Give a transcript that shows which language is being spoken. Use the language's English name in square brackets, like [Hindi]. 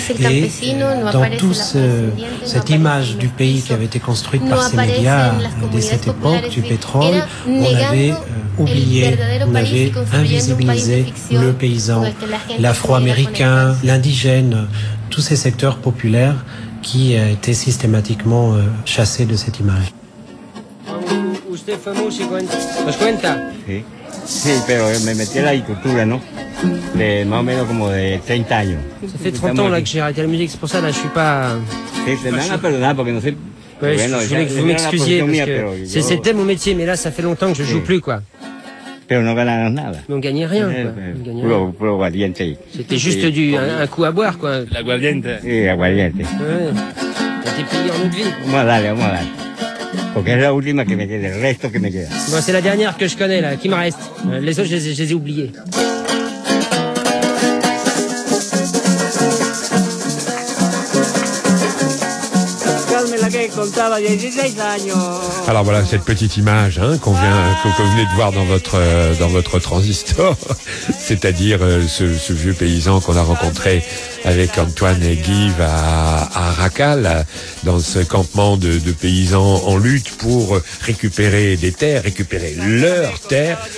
[French] Et dans toute cette image du pays qui avait été construite par ces médias dès cette époque, du pétrole, on avait oublié, on avait invisibilisé le paysan, l'afro-américain, l'indigène, tous ces secteurs populaires qui étaient systématiquement chassés de cette image. [Spanish] Sí, pero me metí a la agricultura, ¿no? De más o menos como de 30 años. [French] Ça fait 30 ans là que j'ai arrêté la musique, c'est pour ça là je suis pas. [Spanish] Sí, se me han perdonado porque no sé. Pues, bueno, [French] je voulais que vous m'excusiez parce que c'était mon métier, mais là ça fait longtemps que je joue plus, quoi. [Spanish] Pero no ganaron nada. [French] No gagné rien, quoi. [Spanish] Puro aguardiente. [French] C'était juste un coup à boire, quoi. [Spanish] La aguardiente. Sí, aguardiente. [French] Ouais. T'as été payé en autre vie. [Spanish] Vamos a darle. Porque es la última que me queda, el resto que me queda. [French] Bueno, c'est la dernière que je connais, là, qui me reste. Les autres, je les ai oubliés. Alors voilà cette petite image hein, que vous venez de voir dans votre transistor, c'est-à-dire ce vieux paysan qu'on a rencontré avec Antoine et Guy à Racal, dans ce campement de paysans en lutte pour récupérer des terres, récupérer leurs terres.